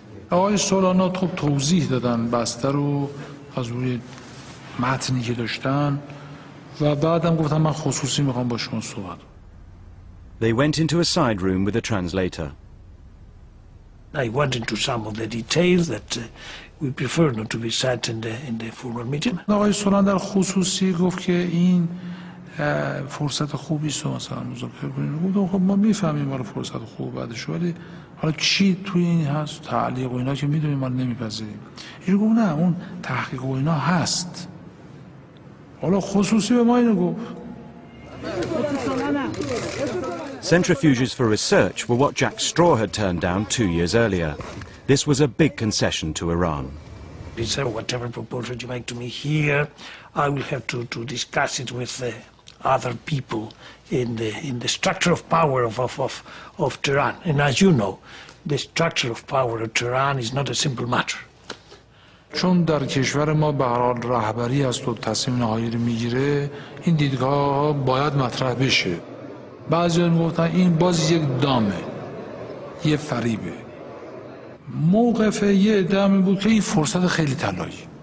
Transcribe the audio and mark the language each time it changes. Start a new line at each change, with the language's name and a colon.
Persian: آقای سولانا خوب توضیح دادن بسته رو از روی متنی که داشتن و بعدم گفتم من خصوصی میخوام با شما صحبت.
English: They went into a side room with a translator. I went into some of the details that we prefer not to be said in the formal meeting.
Persian: آقای سولان در خصوصی گفت که این فرصت خوبی است مثلا مذاکره کنیم. گفتم خب ما میفهمیم حالا فرصت خوب بعدش، ولی حالا چی توی این هست؟ تعلیق و اینا که میدونیم ما نمیپذیریم. اینو گفت نه، اون تحقیق و اینا هست. حالا خصوصی به ما اینو گفت.
English: Centrifuges for research were what Jack Straw had turned down 2 years earlier. This was a big concession to Iran. He said, whatever proposal you make to me here, I will have to discuss it with the other people in the structure of power of Tehran. And as you know, the structure of power of Tehran is not a simple matter.
Persian: چون در کشور ما به هر حال رهبری است و تصمیم نهایی رو میگیره، این دیدگاه باید مطرح بشه. بعضی هم گفتن این باز یک دامه، یه فریبه. موقف یه دامه بود که این فرصت خیلی طلایی.